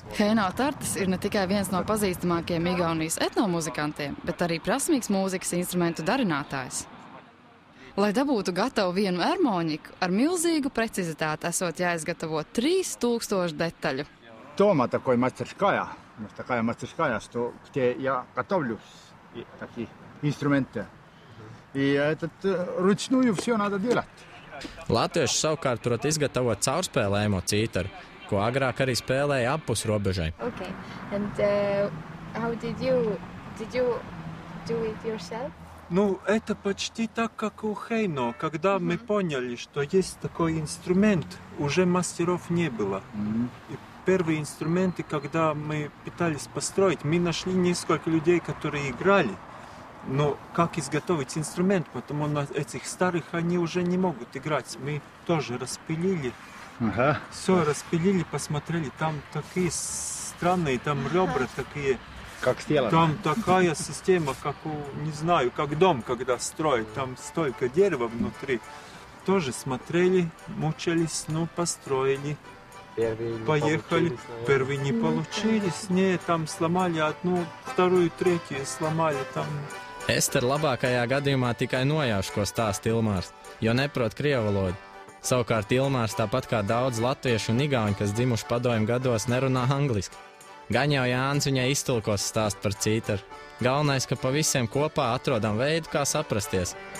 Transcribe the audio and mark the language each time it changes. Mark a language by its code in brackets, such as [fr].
[lv] Хейно Тартис ir ne tikai viens no pazīstamākajiem Igaunijas etnomuzikantiem, bet arī prasmīgs mūzikas instrumentu darinātājs. Lai dabūtu gatavu vienu armoņiku, ar milzīgu precizitāti esot jāizgatavo 3000 detaļu. [ru] Toma, такой мастерская. Ну, такая мастерская, что где я готовлюсь. Такие инструменты. И этот ручную все надо делать. [lv] Latvieši savukārt prot izgatavot caurspēlējamo cītaru, ko agrāk arī spēlēja appus robežai. [en] Okay. And how did you do it yourself? [ru] Ну, это почти так, как у Хейно, когда мы поняли, что есть такой инструмент, уже мастеров не было. Первые инструменты, когда мы пытались построить, мы нашли несколько людей, которые играли. Но как изготовить инструмент, потому на этих старых они уже не могут играть. Мы тоже распилили, все распилили, посмотрели, там такие странные, там ребра такие. Как сделано? Там такая система, как у, не знаю, как дом, когда строят, там столько дерева внутри. Тоже смотрели, мучались, но построили. Поехали, первые не получились, не, там сломали одну, вторую, третью сломали там. [lv] Эстер labākajā gadījumā tikai nojauš, ko stāst Ilmārs, jo neprot krievu valodu. Savukārt Ilmārs, tāpat kā daudz latviešu un igauņu, kas dzimuši padomju gados, nerunā angliski. Gan jau Jānis viņai iztulkos stāst par cītaru. Galvenais, ka pa visiem kopā atrodam veidu, kā saprasties.